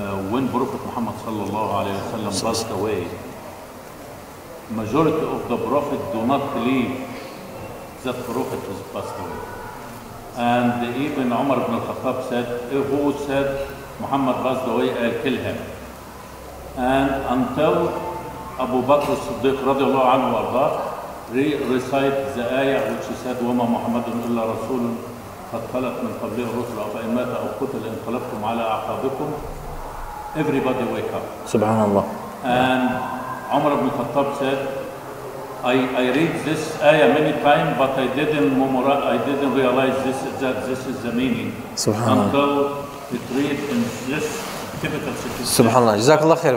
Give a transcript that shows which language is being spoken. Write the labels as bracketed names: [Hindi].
[English] When Prophet Muhammad sallallahu alayhi wa sallam passed away, majority of the Prophet do not believe that Prophet was passed away. And even Umar ibn al-Khattab said, who said Muhammad passed away, I'll kill him. And until Abu Bakr Siddiq radiallahu anhu wa recite the ayah which he said, [Arabic] وَمَا مُحَمَّدٌ إِلَّا رَسُولٌ قَدْ خَلَتْ مِنْ قَبْلِهِ الرُّسُلُ فَإِنْ مَاتَ أَوْ قُتِلَ إِنْ قَلَبْتُمْ عَلَىٰ أَعْقَابِكُمْ. [English] Everybody wake up. Subhanallah. And Umar ibn Khattab said, I read this ayah many times, but I didn't realize this, that this is the meaning. Subhanallah. Until it read in this typical situation. Subhanallah. Jazakallah khair.